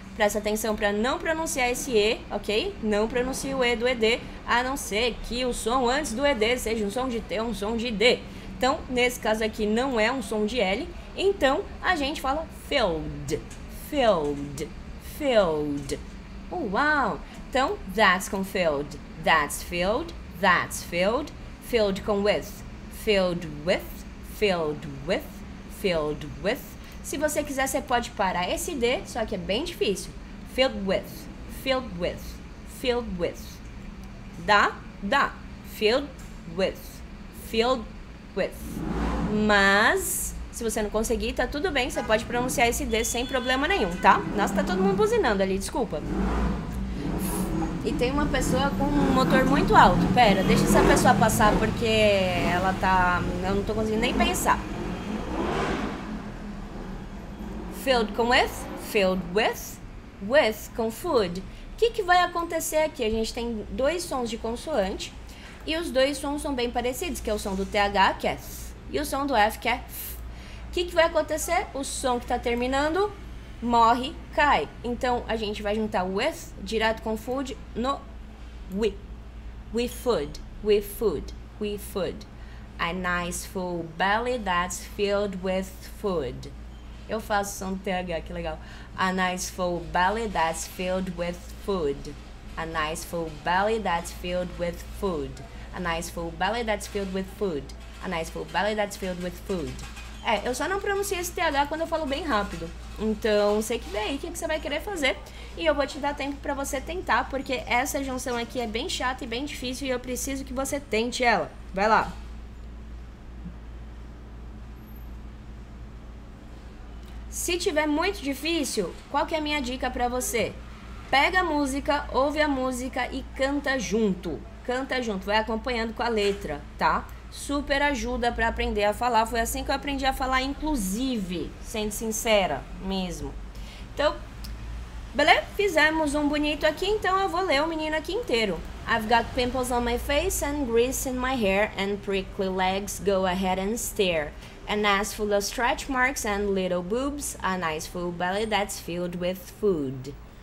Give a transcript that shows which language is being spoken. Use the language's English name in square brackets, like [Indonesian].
[Portuguese] Presta atenção para não pronunciar esse E, ok? Não pronuncie o E do ED, a não ser que o som antes do ED seja um som de T ou um som de D. Então, nesse caso aqui não é um som de L, então a gente fala [English] filled, filled, filled. [Portuguese] Uau! Então, [English] that's com filled, that's filled, that's filled, filled com with, filled with, filled with, filled with. [Portuguese] Se você quiser, você pode parar esse D, só que é bem difícil. [English] Filled with, filled with, filled with. [Portuguese] Dá? Dá. [English] Filled with, filled with. [Portuguese] Mas, se você não conseguir, tá tudo bem. Você pode pronunciar esse D sem problema nenhum, tá? Nossa, tá todo mundo buzinando ali, desculpa. E tem uma pessoa com um motor muito alto. Pera, deixa essa pessoa passar porque ela tá. Eu não tô conseguindo nem pensar. [English] Filled com with, filled with, with com food. [Portuguese] O que que vai acontecer aqui? A gente tem dois sons de consoante e os dois sons são bem parecidos, que é o som do TH, que é th, e o som do F, que é f. O que que vai acontecer? O som que está terminando morre, cai. Então a gente vai juntar with direto com food no we. [English] We food, we food, we food. A nice full belly that's filled with food. [Portuguese] Eu faço som TH, que legal. [English] A nice full belly that's filled with food. A nice full belly that's filled with food. A nice full belly that's filled with food. A nice full belly that's filled with food. [Portuguese] É, eu só não pronuncio esse TH quando eu falo bem rápido. Então, sei que vem aí, o que que você vai querer fazer? E eu vou te dar tempo para você tentar, porque essa junção aqui é bem chata e bem difícil e eu preciso que você tente ela. Vai lá. Se tiver muito difícil, qual que é a minha dica para você? Pega a música, ouve a música e canta junto. Canta junto, vai acompanhando com a letra, tá? Super ajuda para aprender a falar. Foi assim que eu aprendi a falar, inclusive, sendo sincera mesmo. Então, beleza? Fizemos um bonito aqui, então eu vou ler o menino aqui inteiro. [English] I've got pimples on my face and grease in my hair and prickly legs. Go ahead and stare. An ass full of stretch marks and little boobs. A nice full belly that's filled with food.